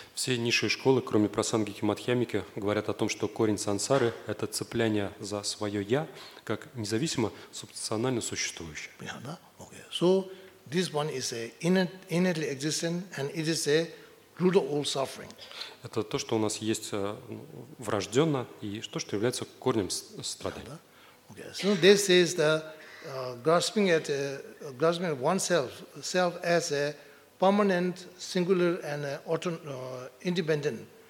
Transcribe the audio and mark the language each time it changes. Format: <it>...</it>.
<ru>Все низшие школы, кроме прасангики и мадхьямики, говорят о том, что корень сансары – это цепляние за свое «я», как независимо субстанционально существующее. Понятно, да? Okay.</ru> <en>So, this one is a innately existent, and it is a root of all suffering.</en> <ru>Это то, что у нас есть врожденно, и то, что является корнем страданий.</ru> <en>Okay. So, this is the grasping at oneself, self as a permanent, singular, and independent.</en>